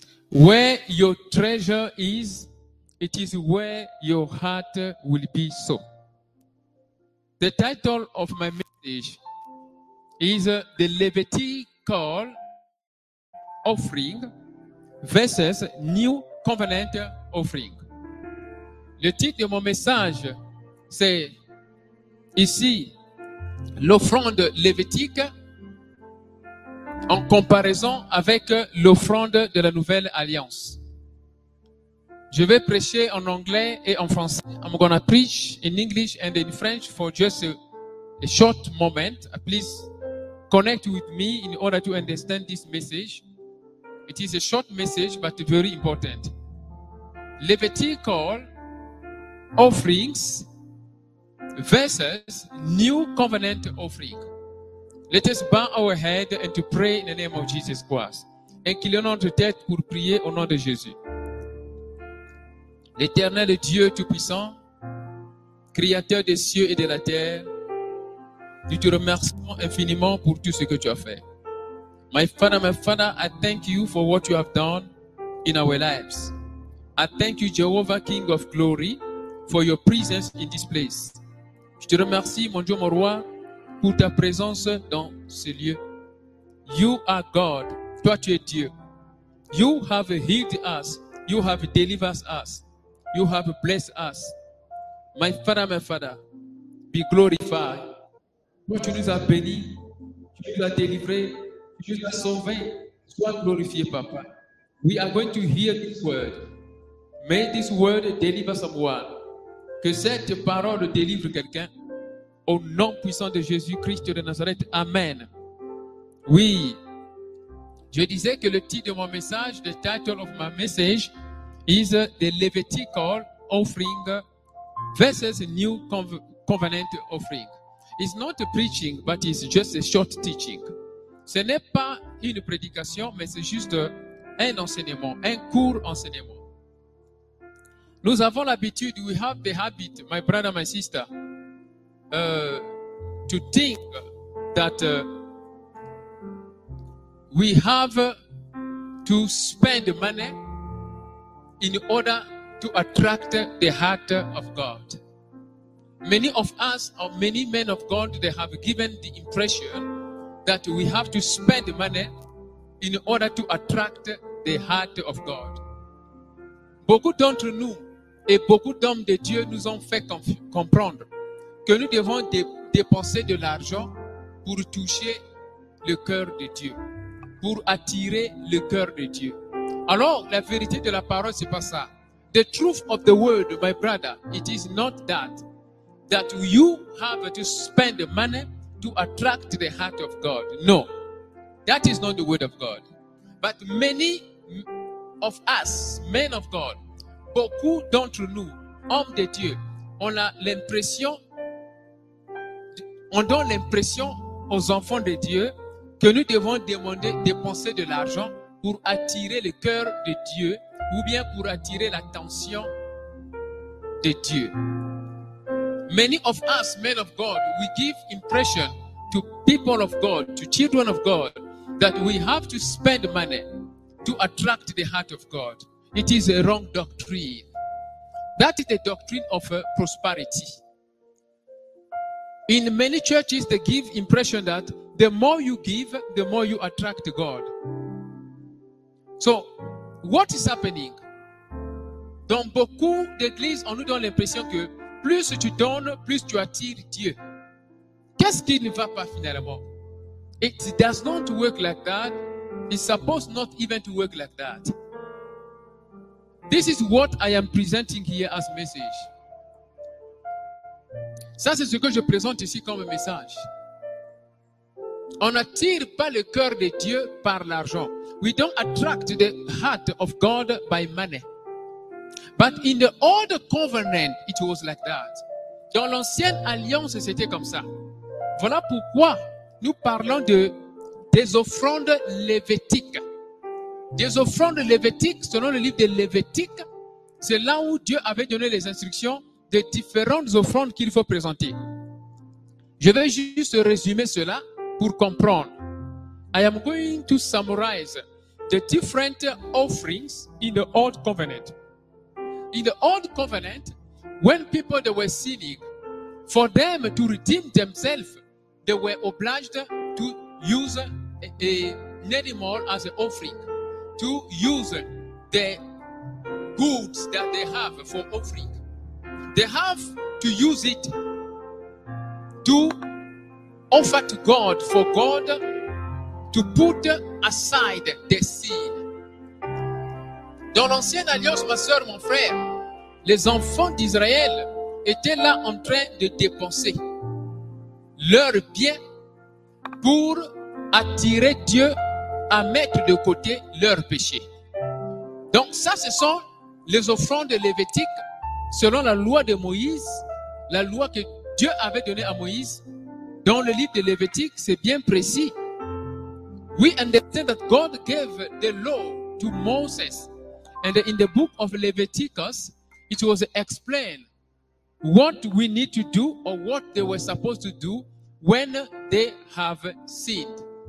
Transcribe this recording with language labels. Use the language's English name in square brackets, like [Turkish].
[English] Where your treasure is, it is where your heart will be so. The title of my message is the Levitical offering versus new covenant offering. [French] Le titre de mon message, c'est ici l'offrande lévitique en comparaison avec l'offrande de la Nouvelle Alliance. Je vais prêcher en anglais et en français. [English] I'm going to preach in English and in French for just a short moment. Please connect with me in order to understand this message. It is a short message, but very important. Levitical offerings versus New Covenant offering. Let us bow our head and to pray in the name of Jesus Christ. [French] Inclinons notre tête pour prier au nom de Jésus. L'éternel Dieu Tout-Puissant, Créateur des cieux et de la terre, nous te remercions infiniment pour tout ce que tu as fait. [English] My Father, I thank you for what you have done in our lives. I thank you, Jehovah, King of Glory, for your presence in this place. [French] Je te remercie, mon Dieu, mon Roi, pour ta présence dans ce lieu. [English] You are God. [French] Toi, tu es Dieu. [English] You have healed us. You have delivered us. You have blessed us. My Father, be glorified. [French] Toi, tu nous as bénis. Tu nous as délivrés. Tu nous as sauvés. Sois glorifié, Papa. [English] We are going to hear this word. May this word deliver someone. [French] Que cette parole délivre quelqu'un. Au nom puissant de Jésus-Christ de Nazareth. [English] Amen. Oui. [French] Je disais que le titre de mon message, [English] the title of my message, is the Levitical offering versus new covenant offering. It's not a preaching, but it's just a short teaching. [French] Ce n'est pas une prédication, mais c'est juste un enseignement, un court enseignement. Nous avons l'habitude, [English] we have the habit, my brother, my sister, to think that we have to spend money in order to attract the heart of God. Many of us, or many men of God, they have given the impression that we have to spend money in order to attract the heart of God. [French] Beaucoup d'entre nous et beaucoup d'hommes de Dieu nous ont fait comprendre que nous devons dépenser de l'argent pour toucher le cœur de Dieu, pour attirer le cœur de Dieu. Alors, la vérité de la parole, ce n'est pas ça. [English] The truth of the word, my brother, it is not that you have to spend money to attract the heart of God. No, that is not the word of God. But many of us, men of God, [French] beaucoup d'entre nous, hommes de Dieu, on donne l'impression aux enfants de Dieu que nous devons demander, dépenser de l'argent pour attirer le cœur de Dieu ou bien pour attirer l'attention de Dieu. [English] Many of us, men of God, we give impression to people of God, to children of God, that we have to spend money to attract the heart of God. It is a wrong doctrine. That is the doctrine of prosperity. In many churches, they give impression that the more you give, the more you attract God. So, what is happening? [French] Dans beaucoup d'églises, on nous donne l'impression que plus tu donnes, plus tu attires Dieu. Qu'est-ce qui ne va pas finalement? [English] It does not work like that. It's supposed not even to work like that. This is what I am presenting here as message. [French] Ça, c'est ce que je présente ici comme message. On n'attire pas le cœur de Dieu par l'argent. [English] We don't attract the heart of God by money. But in the old covenant, it was like that. [French] Dans l'ancienne alliance, c'était comme ça. Voilà pourquoi nous parlons des offrandes lévitiques. Des offrandes lévitiques, selon le livre de Lévitique, c'est là où Dieu avait donné les instructions des différentes offrandes qu'il faut présenter. Je vais juste résumer cela pour comprendre. [English] I am going to summarize the different offerings in the old covenant. In the old covenant, when people they were sinning, for them to redeem themselves, they were obliged to use an animal as an offering, to use the goods that they have for offering. They have to use it to offer to God, for God to put aside their sin. [French] Dans l'ancienne alliance, ma soeur, mon frère, les enfants d'Israël étaient là en train de dépenser leur bien pour attirer Dieu à mettre de côté leur péché. Donc ça, ce sont les offrandes lévitiques selon la loi de Moïse, la loi que Dieu avait donnée à Moïse. Dans le livre de Lévitique, c'est bien précis. [English] We understand that God gave the law to Moses. And in the book of Leviticus, it was explained what we need to do or what they were supposed to do when they have sinned.